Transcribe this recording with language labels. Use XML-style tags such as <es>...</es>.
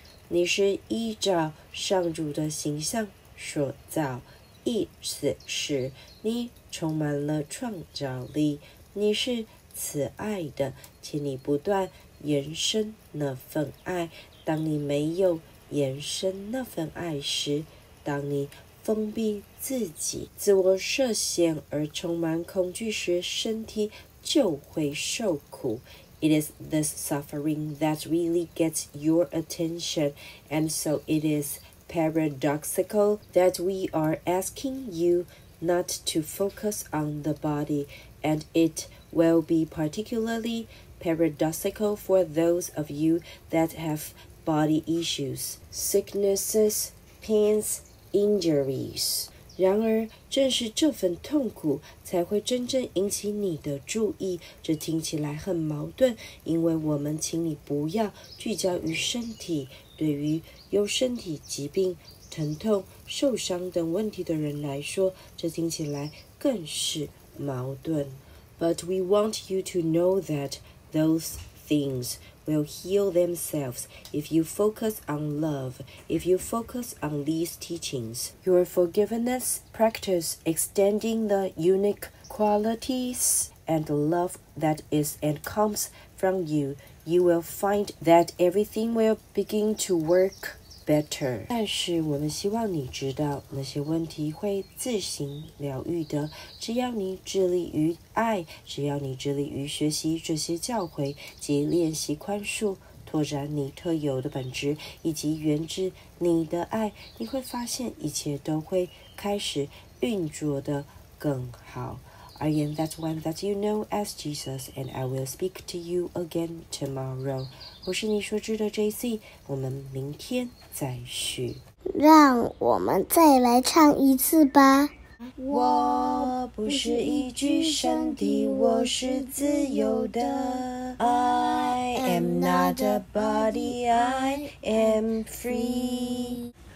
<zh>你是依照上主的形象所造，意思是你充满了创造力，你是慈爱的，请你不断延伸那份爱。当你没有延伸那份爱时，当你封闭自己，自我设限而充满恐惧时，身体就会受苦。</zh> <en>It is this suffering that really gets your attention, and so it is paradoxical that we are asking you not to focus on the body, and it will be particularly paradoxical for those of you that have body issues, sicknesses, pains, injuries.</en> <zh>然而正是这份痛苦才会真正引起你的注意，这听起来很矛盾，因为我们请你不要聚焦于身体。对于有身体疾病、疼痛、受伤等问题的人来说，这听起来更是矛盾。</zh> <en>But we want you to know that those things will heal themselves if you focus on love, if you focus on these teachings. Your forgiveness practice extending the unique qualities and love that is and comes from you, you will find that everything will begin to work better.</en> <zh>但是我们希望你知道，那些问题会自行疗愈的。只要你致力于爱，只要你致力于学习这些教诲及练习宽恕，拓展你特有的本质以及源自你的爱，你会发现一切都会开始运作得更好。</zh> <en>I am that one that you know as Jesus, and I will speak to you again tomorrow.</en> <zh>我是你所知的 JC, 我们明天再续。让我们再来唱一次吧。我不是一具身体，我是自由的。</zh> <en>I am not a body, I am free.</en>